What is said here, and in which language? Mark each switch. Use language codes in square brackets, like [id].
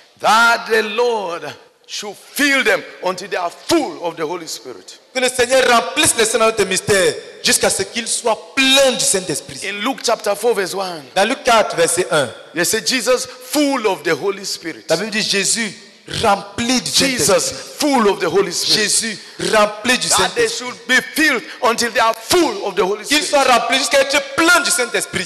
[en] That the Lord should fill them until they are full of the Holy Spirit. [fr] Que le Seigneur remplisse les saints de mystère jusqu'à ce qu'ils soient pleins du Saint-Esprit. [en] In Luke chapter 4 verse 1. [fr] Dans Luc 4 verset 1. [en] They say Jesus full of the Holy Spirit. [fr] La Bible dit Jésus rempli du [en] Jesus full of the Holy Spirit. [fr] Jésus rempli du Saint-Esprit. [en] That they should be filled until they are full of the Holy Spirit. [fr] Qu'ils soient remplis jusqu'à être pleins du Saint-Esprit.